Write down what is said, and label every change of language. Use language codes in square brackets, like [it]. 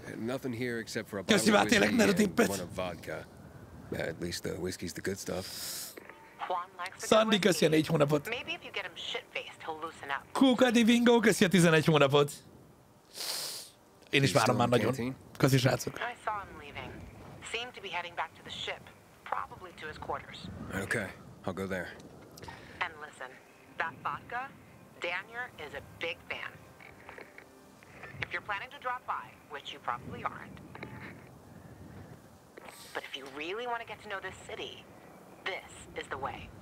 [en] Nothing here except for a bottle of whiskey and one of vodka. At least the whiskey's the good stuff. Juan likes a good whiskey. [hu] Sandy, köszi a 4 hónapot. [en] Maybe if you get him shit-faced, he'll loosen up. [hu] Kuka Divingo, köszi a 11 hónapot. Én is várom már nagyon. Köszi, srácok. [en] I saw him leaving. Seemed to be heading back to the ship, probably to his quarters. Okay, I'll go there. And listen, that vodka, Danier is a big fan. If you're planning to drop by, which you probably aren't, but if you really want to get to know this city, this is the way.